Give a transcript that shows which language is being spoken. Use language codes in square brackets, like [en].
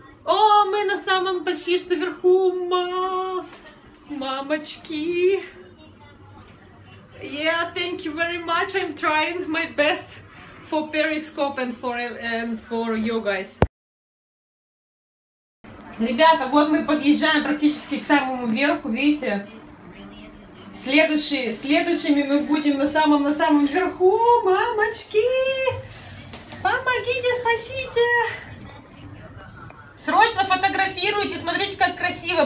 [ru] О, мы на самом почти что верху. Мамочки. [en] Yeah, thank you very much. I'm trying my best for Periscope and for you guys. [ru] Ребята, вот мы подъезжаем практически к самому верху, видите? Следующими мы будем на самом верху. Мамочки! Помогите, спасите! Срочно фотографируйте, смотрите, как красиво.